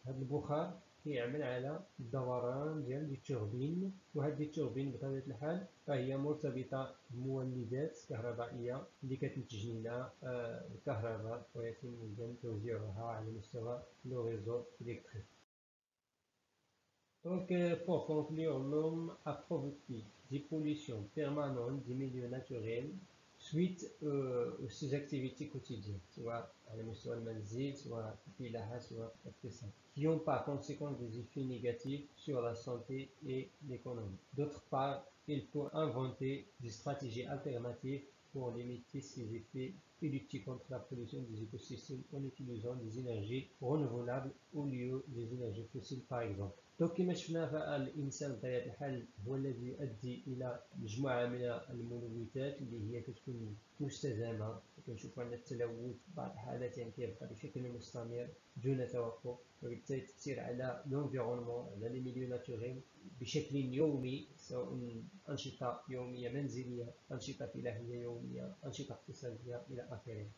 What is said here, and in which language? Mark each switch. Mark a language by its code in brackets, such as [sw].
[ar] هذا البخار كيعمل على الدوران ديال لي توربين، وهاد لي توربين بطبيعة الحال فهي مرتبطة بمولدات كهربائية اللي كتنتج لنا الكهرباء ويتم إذن توزيعها على مستوى لو ريزو إلكتريك. [fr] Donc, pour conclure, l'homme a provoqué des pollutions permanentes des milieux naturels suite à ses activités quotidiennes, soit à la mission de Manzil, soit à Pilaha, soit à Pessin, qui ont par conséquent des effets négatifs sur la santé et l'économie. D'autre part, il faut inventer des stratégies alternatives pour limiter ces effets et lutter contre la pollution des écosystèmes en utilisant des énergies renouvelables au lieu des énergies fossiles, par exemple. [ar] دونك كما شفنا فالانسان بطبيعه الحال هو الذي يؤدي الى مجموعه من الملوثات اللي هي كتكون مستدامه، كنشوفوا ان التلوث بعض الحالات يعني كيبقى بشكل مستمر دون توقف، وبالتالي تاثير على لونفيرونمون على لي ميليو ناتوريل بشكل يومي، سواء انشطه يوميه منزليه، انشطه فلاحيه يوميه، انشطه اقتصاديه الى اخره.